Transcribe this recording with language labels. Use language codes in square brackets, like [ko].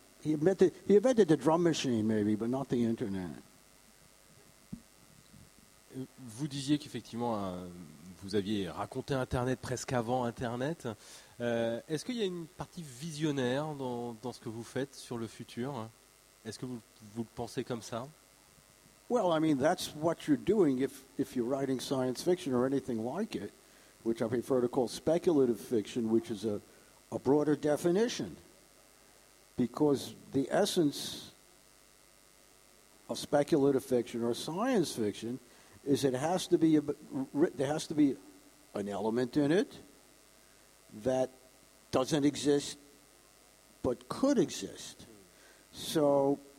[en] He invented the drum machine, maybe, but not the internet. [fr] Vous disiez qu'effectivement, vous aviez raconté Internet presque avant Internet. Est-ce qu'il y a une partie visionnaire dans ce que vous faites sur le futur? Est-ce que vous le pensez comme ça? [en] Well, I mean, that's what you're doing if you're writing science fiction or anything like it, which I prefer to call speculative fiction, which is a broader definition. Because the essence of speculative fiction or science fiction is it has to be there has to be an element in it that doesn't exist but could exist. So